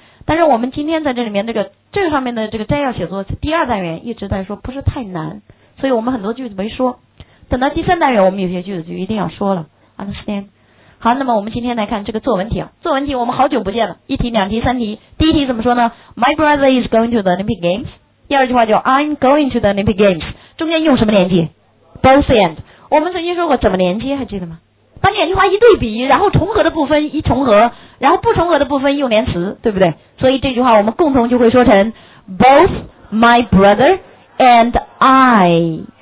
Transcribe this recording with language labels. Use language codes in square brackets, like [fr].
[zh] 但是我们今天在这里面这个上面的这个摘要写作第二单元一直在说不是太难，所以我们很多句子没说，等到第三单元我们有些句子就一定要说了。 [en] Understand？ [zh] 好，那么我们今天来看这个作文题啊。作文题我们好久不见了，一题两题三题。第一题怎么说呢？ [en] My brother is going to the Olympic Games。 [zh] 第二句话叫 [en] I'm going to the Olympic Games。 [zh] 中间用什么连接？Both and。我们曾经说过怎么连接，还记得吗？把两句话一对比，然后重合的部分一重合，然后不重合的部分用连词，对不对？所以这句话我们共同就会说成 [en] Both my brother and I。